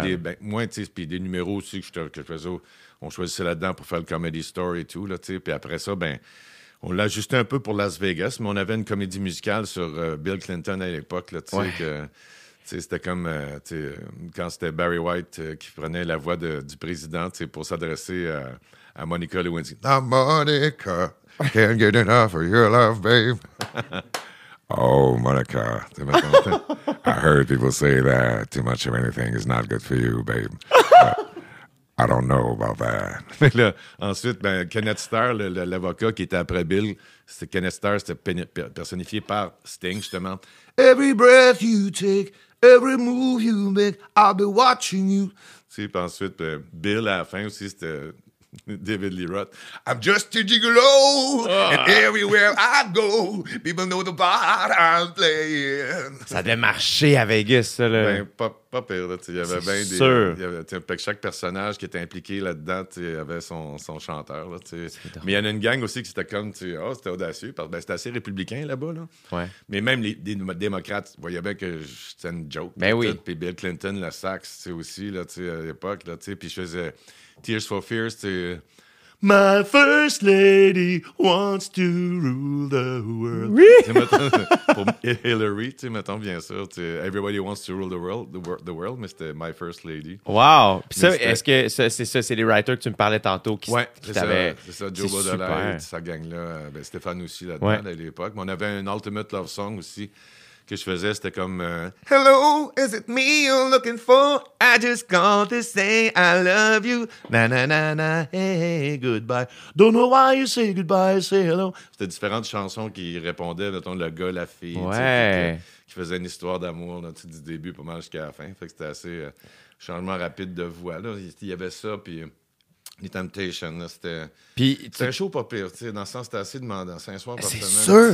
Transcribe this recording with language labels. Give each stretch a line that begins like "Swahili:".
French: Des, ben, moi, tu sais, puis des numéros aussi que je faisais. On choisissait là-dedans pour faire le Comedy Store et tout. Là, puis après ça, ben on l'a ajusté un peu pour Las Vegas, mais on avait une comédie musicale sur Bill Clinton à l'époque. Là, ouais. Que, c'était comme quand c'était Barry White qui prenait la voix du président pour s'adresser à Monica Lewinsky.
English: « Now, Monica, can't get enough of your love, babe. Oh, Monica, I heard people say that too much of anything is not good for you, babe. I don't know about that.
French: » Là, ensuite, ben, Kenneth Starr, l'avocat qui était après Bill, c'est Kenneth Starr, c'était personnifié par Sting, justement.
English: « Every breath you take, every move you make, I'll be watching you. »
French: Puis ensuite, ben, Bill, à la fin aussi, c'était David Lee Roth.
English: « I'm just a gigolo, and everywhere I go, people know the part I'm playing. »
French: Ça devait marcher à Vegas, ça, là. Ben, pas... pas pire. Il y avait bien des. Y avait, chaque personnage qui était impliqué là-dedans avait son chanteur. Là, mais il y en a une gang aussi qui était comme. Oh, c'était audacieux. Parce, ben, c'était assez républicain là-bas. Là. Ouais. Mais même les démocrates voyaient bien que c'était une joke. Ben oui. Puis Bill Clinton, le sax aussi là, à l'époque. Là, puis je faisais Tears for Fears.
English: My first lady wants to rule the world.
French: Oui. Mettons, pour Hillary, tu sais, mettons, bien sûr,
English: everybody wants to rule the world,
French: mais c'était
English: my first lady.
French: Wow! Puis ça, est-ce que c'est les writers que tu me parlais tantôt qui t'avaient... C'est ça, Joe Baudelaire, sa gang-là, ben Stéphane aussi là-dedans ouais. À l'époque. Mais on avait un Ultimate Love Song aussi que je faisais, c'était comme...
English: Hello, is it me you're looking for? I just called to say I love you. Na na na na, hey, goodbye. Don't know why you say goodbye, say hello.
French: C'était différentes chansons qui répondaient, mettons, le gars, la fille. Ouais. Qui faisait une histoire d'amour là, du début pas mal jusqu'à la fin. Fait que c'était assez changement rapide de voix. Là. Il y avait ça, puis... Les Temptations, là, c'était... Puis, c'était un show pas pire, tu sais. Dans le sens, c'était assez demandant. C'est un soir par semaine. Sûr.